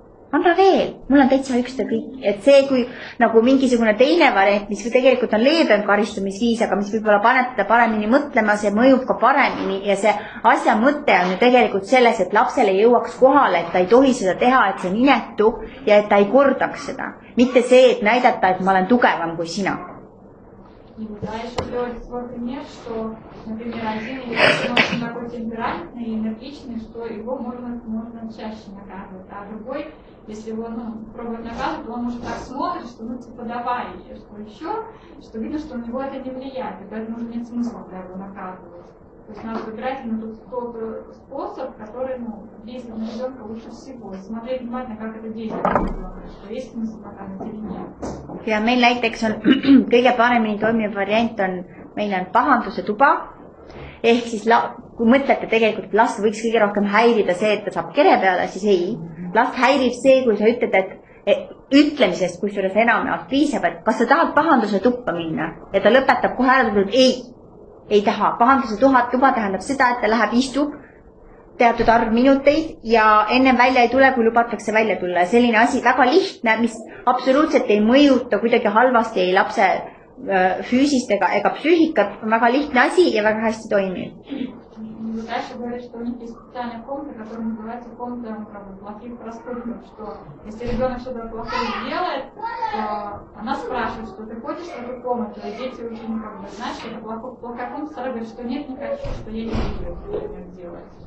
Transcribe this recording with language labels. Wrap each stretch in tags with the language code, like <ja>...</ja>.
<et>Anna veel, mul on täitsa üks kõik. Et see kui nagu mingisugune teine variant, mis tegelikult on leebem karistumisviis, aga mis võib-olla panetada paremini mõtlema, see mõjub ka paremini ja see asja mõte on ju tegelikult selles, et lapsele jõuaks kohale, et ta ei tohi seda teha, et see on inetu ja et ta ei kordaks seda. Mitte see, et näidata, et ma olen tugevam kui sina.</et> <ru>Да, еще приводится свой пример, что, например, один ребенок очень такой темпераментный и энергичный, что его можно чаще наказывать. А другой, если его пробовать наказывать, то он уже так смотрит, что давай что еще, что видно, что на него это не влияет. И поэтому уже нет смысла для его наказывать. То есть надо выбирать именно тот способ, который действует на ребенка лучше всего. И смотреть внимательно, как это действует на ребенка, что есть смысл наказывать или нет.</ru> <et>Ja meil näiteks on kõige paremini toimiv variant on, meil on pahanduse tuba, ehk siis kui mõtlete tegelikult, et last võiks kõige rohkem häirida see, et ta saab kere peale, siis ei. Last häirib see, kui sa ütled, et ütlemisest, kui sulle see enamjalt viisab, et kas sa tahad pahanduse tuppa minna ja ta lõpetab kohe ära, et ei taha. Pahanduse tuba tähendab seda, et ta läheb istub teatud arv minuteid ja enne välja ei tule, kui lubatakse välja tulla. Selline asi väga lihtne, mis absoluutselt ei mõjuta kuidagi halvasti ei lapse füüsist ega psüühikat, on väga lihtne asi ja väga hästi toimiv.</et> <ru>Дальше говорят, что у них есть специальная комната, которая называется комната плохих проступков, что если ребенок что-то плохое делает, то она спрашивает, что ты хочешь в эту комнату, и дети уже не как бы знают, что это плохая комната, старая говорит, что нет, не хочу, что я не люблю, что ребенок делает.</ru>